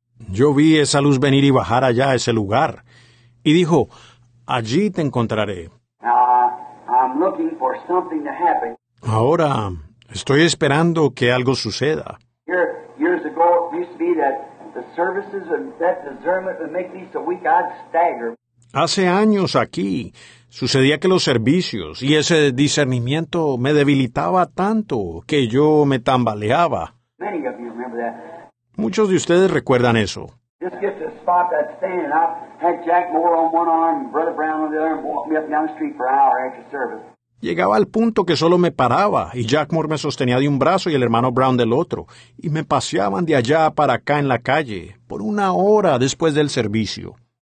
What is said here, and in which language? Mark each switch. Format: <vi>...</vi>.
<es>Yo vi esa luz venir y bajar allá a ese lugar. Y dijo, allí te encontraré.</es> <en>I'm looking for something to happen.</en> <es>Ahora, estoy esperando que algo suceda.</es> <en>Years ago, it used to be that the services and that discernment would make me so weak I'd stagger.</en> <es>Hace años aquí, sucedía que los servicios y ese discernimiento me debilitaba tanto que yo me tambaleaba.</es> <en>Many of you remember that.</en> <es>Muchos de ustedes recuerdan eso.</es> <en>Just get to the spot that's standing. I had Jack Moore on one arm and Brother Brown on the other and walked me up down the street for an hour after service.</en> <es>Llegaba al punto que solo me paraba y Jack Moore me sostenía de un brazo y el hermano Brown del otro. Y me paseaban de allá para acá en la calle por una hora después del servicio.</es>